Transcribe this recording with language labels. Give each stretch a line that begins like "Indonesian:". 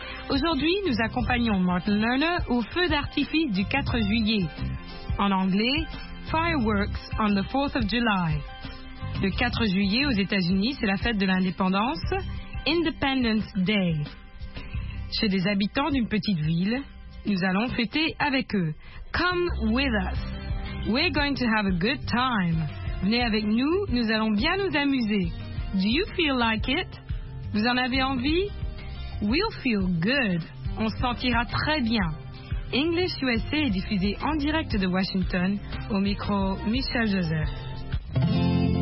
French: Aujourd'hui, nous accompagnons Martin Lerner au feu d'artifice du 4 juillet. En anglais,
English: Fireworks on the 4th of July.
French: Le 4 juillet aux États-Unis, c'est la fête de l'indépendance, Independence Day. Chez des habitants d'une petite ville, nous allons fêter avec eux.
English: Come with us. We're going to have a good time.
French: Venez avec nous, nous allons bien nous amuser.
English: Do you feel like it?
French: Vous en avez envie?
English: We'll feel good.
French: On se sentira très bien. English USA est diffusé en direct de Washington. Au micro, Michel Joseph.